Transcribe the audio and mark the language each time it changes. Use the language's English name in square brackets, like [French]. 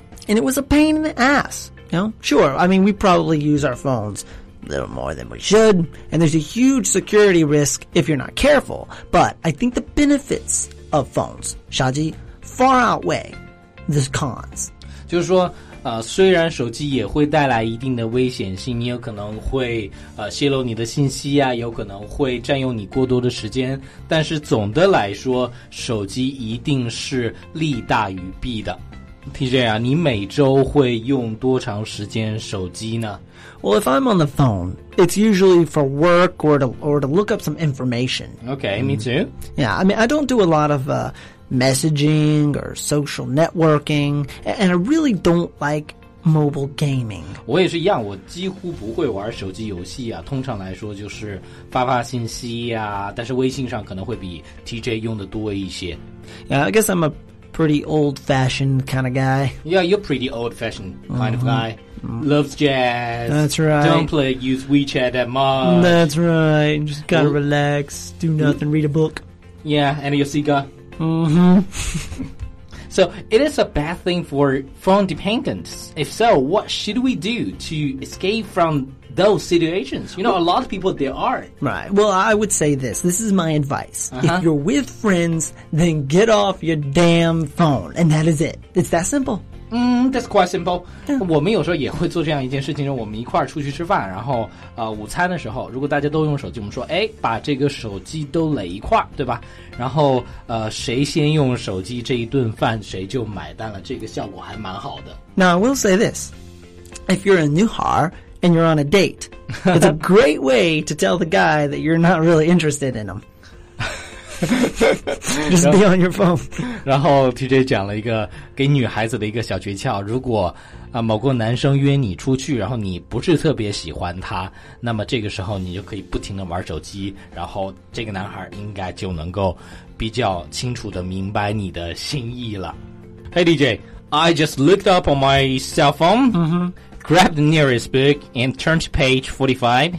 [English] And it was a pain in the ass. You know? Sure, I mean, we probably use our phones a little more than we should, and there's a huge security risk if you're not careful, but I think the benefits of phones, Shaji, far outweigh the cons. [Chinese] 就是说虽然手机也会带来一定的危险性，你有可能会泄露你的信息啊，有可能会占用你过多的时间，但是总的来说，手机一定是利大于弊的。 TJ 啊，你每周会用多长时间手机呢？ [English] Well, if I'm on the phone, it's usually for work or to look up some information. Okay, me too. Yeah, I mean, I don't do a lot of messaging or social networking, and I really don't like mobile gaming. [Chinese] 我也是一样，我几乎不会玩手机游戏啊，通常来说就是发发信息啊，但是微信上可能会比 TJ 用的多一些。 [English] Yeah, I guess I'm a... pretty old-fashioned kind of guy. Yeah, you're pretty old-fashioned kind、mm-hmm. of guy. Loves jazz. That's right. Don't play, use WeChat that much. That's right. Just gotta relax, do nothing, read a book. Yeah, and you're Sega. Mm-hmm. So, it is a bad thing for phone dependents. If so, what should we do to escape from those situations? You know, a lot of people, there are. Right. Well, I would say this. This is my advice.、Uh-huh. If you're with friends, then get off your damn phone. And that is it. It's that simple. That's quite simple.、Yeah. [Chinese] 我们有时候也会做这样一件事情，我们一块儿出去吃饭，然后午餐的时候，如果大家都用手机，我们说，哎，把这个手机都垒一块儿，对吧？然后谁先用手机，这一顿饭谁就买单了。这个效果还蛮好的。 [English] Now I will say this: if you're a newhar and you're on a date, it's a great way to tell the guy that you're not really interested in him. Just be on your phone. [Chinese] 然后 TJ 讲了一个给女孩子的一个小诀窍，如果某个男生约你出去，然后你不是特别喜欢他，那么这个时候你就可以不停的玩手机，然后这个男孩应该就能够比较清楚的明白你的心意了。 [English] Hey DJ, I just looked up on my cell phone、 mm-hmm. grabbed the nearest book and turned to page 45.